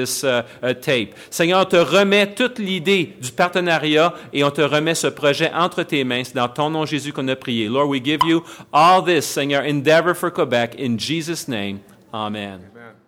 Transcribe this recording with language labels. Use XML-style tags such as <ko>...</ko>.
<en>this tape.</en> <fr>Seigneur, on te remet toute l'idée du partenariat et on te remet ce projet entre tes mains. C'est dans ton nom, Jésus, qu'on a prié.</fr> <en>Lord, we give you all this, Seigneur, endeavor for Quebec, in Jesus' name. Amen.</en>